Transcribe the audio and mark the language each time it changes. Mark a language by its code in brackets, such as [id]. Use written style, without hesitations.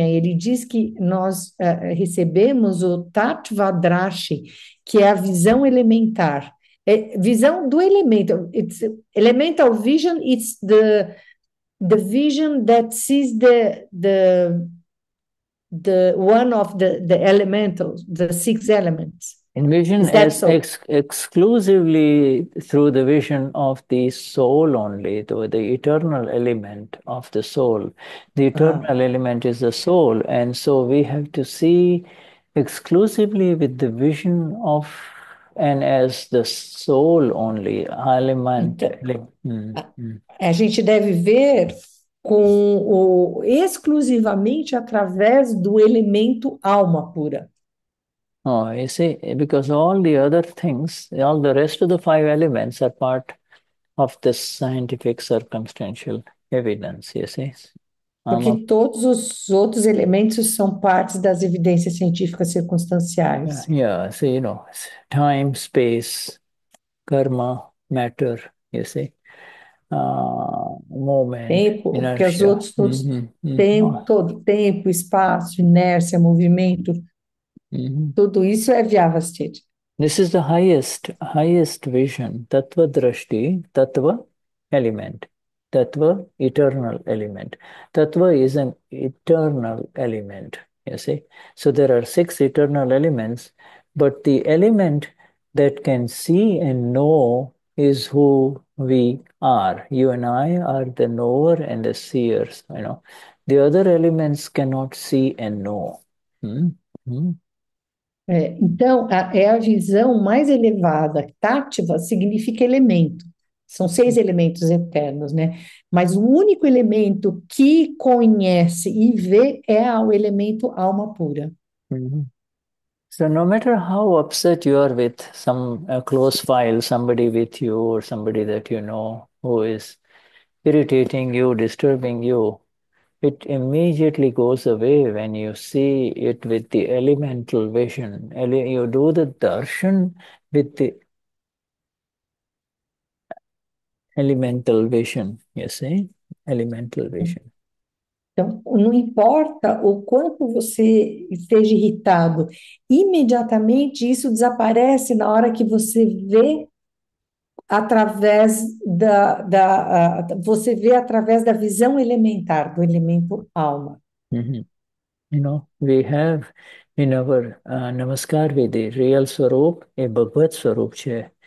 [pt] Ele diz que nós recebemos o Tattva Drashti, que é a visão elementar. É visão do elemento. [en] Elemental vision is the vision that sees the one of the elementals, the six elements. Envision Is that as so? exclusively through the vision of the soul only, though the eternal element of the soul. The eternal element is the soul, and so we have to see exclusively with the vision of and as the soul only element. [pt] Então, a gente deve ver com exclusivamente através do elemento alma pura. [en] Oh, you see, because all the other things, all the rest of the five elements are part of the scientific circumstantial evidence, you see. [pt] Porque todos os outros elementos são partes das evidências científicas circunstanciais. [en] Yeah, so you know, time, space, karma, matter, you see, moment, [pt] Tempo, porque os [en] inertia. [pt] outros todos têm todo tempo, espaço, inércia, movimento, tudo isso é vyavasthita. [en] This is the highest vision, Tattva Drashti, Tattva element, Tattva eternal element. Tattva is an eternal element, you see. So there are six eternal elements, but the element that can see and know is who we are. You and I are the knower and the seers, you know. The other elements cannot see and know. [pt] Então, é a visão mais elevada. Tattva significa elemento. São seis elementos eternos, né? Mas o único elemento que conhece e vê é o elemento alma pura. [en] So no matter how upset you are with some close file, somebody with you or somebody that you know who is irritating you, disturbing you, it immediately goes away when you see it with the elemental vision. You do the darshan with the elemental vision, you see? Elemental vision. [pt] Então, não importa o quanto você esteja irritado, imediatamente isso desaparece na hora que você vê através da visão elementar, do elemento alma. [en] You know, we have in our Namaskar with the real Swarup, a Bhagavat Swarup che.